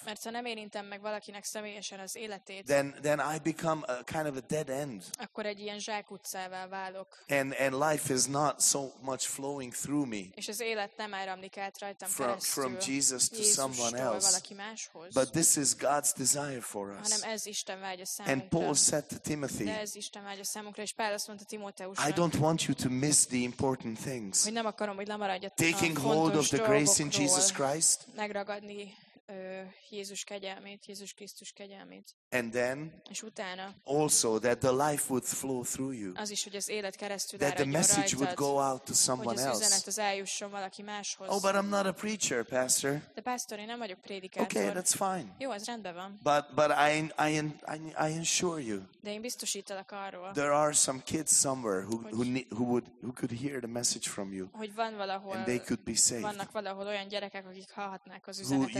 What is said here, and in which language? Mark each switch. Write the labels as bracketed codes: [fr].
[hu] mert ha nem érintem meg valakinek személyesen az életét, [en] then I become a kind of a dead end. [hu] Akkor egy ilyen zsákutcává válok. [en] And life is not so much flowing through me. [hu] És az élet nem áramlik át rajtam keresztül. [en] From Jesus to [hu] Jézustól [en] someone else. [hu] Valaki máshoz. [en] But this is God's desire for us. [hu] Hanem ez Isten vágya számunkra. [en] And Paul said to Timothy, [hu] de ez Isten vágya számunkra, és Pál azt mondta Timóteusnak, [en] I don't want you to miss the important things. [hu] Hogy nem akarom, hogy lemaradjatok a fontos dolgokról. [en] Taking hold of the grace in Jesus Christ, [hu] megragadni Jézus kegyelmét, Jézus Krisztus kegyelmét. [en] And then, [hu] és utána, [en] also that the life would flow through you. [hu] Az is, hogy az élet keresztül áradjon rajtad. [en] That the message would go out to someone else. [hu] Hogy az üzenet az eljusson valaki máshoz. [en] Oh, but I'm not a preacher, pastor. [hu] De pásztor, én nem vagyok prédikátor. [en] Okay, that's fine. [hu] Jó, ez rendben van. [en] But I assure you. [hu] De én biztosítalak arról. [en] There are some kids somewhere who could hear the message from you. [hu] Hogy van valahol. [en] And they could be saved. [hu] Vannak valahol olyan gyerekek, akik hallhatnák az üzenetet tőled.